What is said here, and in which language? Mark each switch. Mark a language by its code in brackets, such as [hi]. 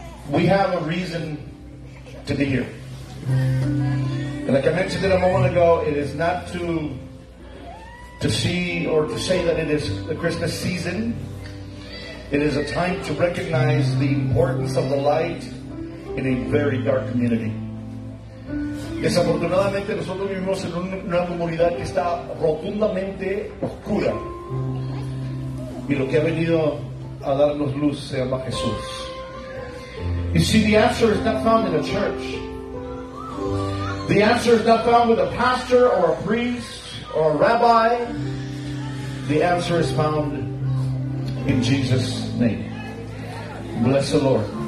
[en] We have a reason to be here. And like I mentioned it a moment ago, it is not to see or to say that it is the Christmas season. It is a time to recognize the importance of the light in a very dark community. [es] Desafortunadamente, nosotros vivimos en una comunidad que está rotundamente oscura. Y lo que ha venido a darnos luz se llama Jesús. [en] You see, the answer is not found in a church. The answer is not found with a pastor or a priest or a rabbi. The answer is found in Jesus' name. Bless the Lord.